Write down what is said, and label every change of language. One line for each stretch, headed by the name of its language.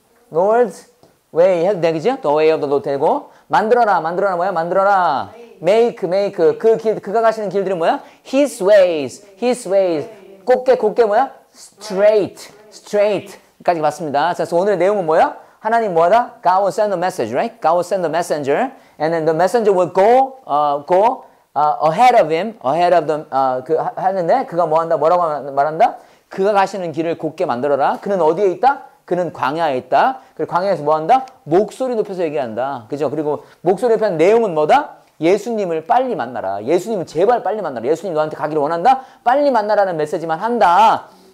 English: The Lord's way
Korean: 해도 되겠죠?
English: The way of the Lord
Korean: 되고 만들어라 make 그 길 그가 가시는 길들은 뭐야? His ways 곱게 뭐야? Straight까지 봤습니다. 자, 그래서 오늘의 내용은 뭐야? 하나님 뭐다?
English: God will send a message, right? God will send a messenger, and then the messenger will go ahead of him
Korean: 그가 뭐한다? 뭐라고 말한다? 그가 가시는 길을 곱게 만들어라. 그는 어디에 있다? 그는 광야에 있다. 그리고 광야에서 뭐한다? 목소리 높여서 얘기한다. 그죠? 그리고 목소리 높여서 내용은 뭐다? 예수님을 빨리 만나라. 예수님을 제발 빨리 만나라. 예수님 너한테 가기를 원한다? 빨리 만나라는 메시지만 한다.